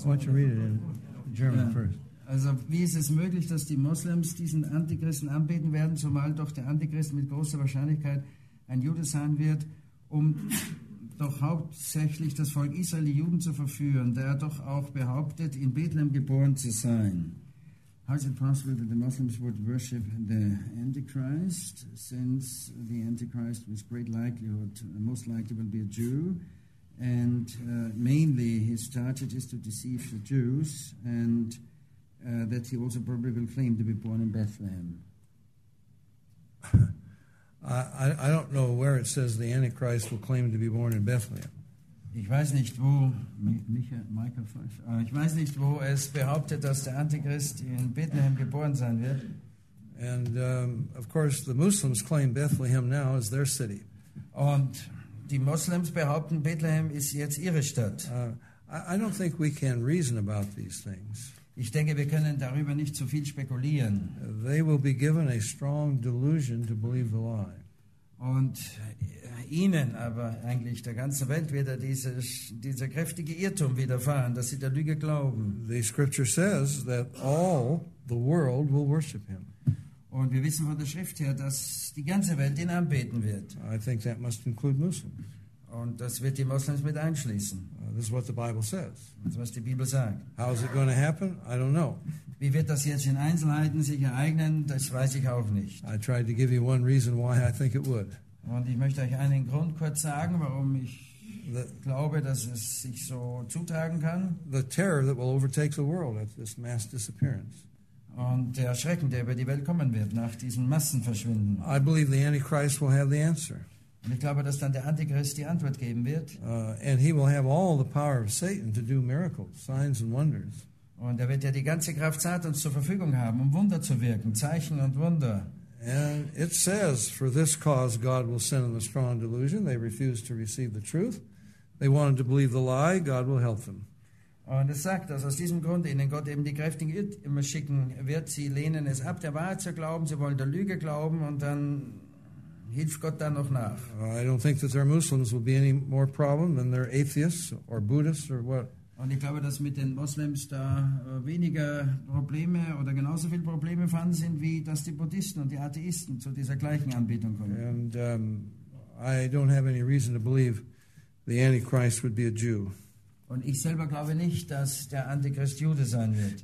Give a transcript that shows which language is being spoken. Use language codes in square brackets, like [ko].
[en] Why don't you read it in German first? [de] Also, wie ist es möglich, dass die Moslems diesen Antichristen anbeten werden, zumal doch der Antichrist mit großer Wahrscheinlichkeit ein Jude sein wird, um doch hauptsächlich das Volk Israel, die Juden, zu verführen, der doch auch behauptet, in Bethlehem geboren zu sein? [en] How is it possible that the Muslims would worship the Antichrist, since the Antichrist with great likelihood, most likely will be a Jew, and mainly his target is to deceive the Jews, and that he also probably will claim to be born in Bethlehem. I don't know where it says the Antichrist will claim to be born in Bethlehem. [de] Ich weiß nicht wo Michael Pfeiffer, ich weiß nicht wo es behauptet, dass der Antichrist in Bethlehem geboren sein wird. [en] And of course the Muslims claim Bethlehem now as their city. [de] Und die Moslems behaupten Bethlehem ist jetzt ihre Stadt. [en] I don't think we can reason about these things. [de] Ich denke, wir können darüber nicht zu viel spekulieren. [en] They will be given a strong delusion to believe the lie. [de] Und ihnen, aber eigentlich der ganzen Welt, wird dieser kräftige Irrtum widerfahren, dass sie der Lüge glauben. [en] The scripture says that all the world will worship him. [de] Und wir wissen von der Schrift her, dass die ganze Welt ihn anbeten wird. [en] I think that must include Muslims. [de] Und das wird die Moslems mit einschließen. [en] This is what the Bible says. [de] Das ist, was die Bibel sagt. [en] How is it going to happen? I don't know. [de] Wie wird das jetzt in Einzelheiten sich ereignen? Das weiß ich auch nicht. [en] I tried to give you one reason why I think it would. [de] Und ich möchte euch einen Grund kurz sagen, warum ich glaube, dass es sich so zutragen kann. [en] The terror that will overtake the world at this mass disappearance. [de] Und der Schrecken, der über die Welt kommen wird nach diesem Massenverschwinden. [en] I believe the Antichrist will have the answer. [de] Ich glaube, dass dann der Antichrist die Antwort geben wird. [en] And he will have all the power of Satan to do miracles, signs and wonders. [de] Und wird ja die ganze Kraft Satans zur Verfügung haben, Wunder zu wirken, Zeichen und Wunder. [en] And it says, for this cause God will send them a strong delusion. They refuse to receive the truth. They wanted to believe the lie. God will help them. [de] Und es sagt, dass aus diesem Grund ihnen Gott eben die kräftigen Irrtümer schicken wird. Sie lehnen es ab, der Wahrheit zu glauben. Sie wollen der Lüge glauben und dann hilft Gott dann noch nach. [en] I don't think that their Muslims will be any more problem than their atheists or Buddhists or what. [de] Und ich glaube, dass mit den Moslems da weniger Probleme oder genauso viele Probleme vorhanden sind, wie dass die Buddhisten und die Atheisten zu dieser gleichen Anbetung kommen. [en] And I don't have any reason to believe the Antichrist would be a Jew. [de] Und ich selber glaube nicht, dass der Antichrist Jude sein wird.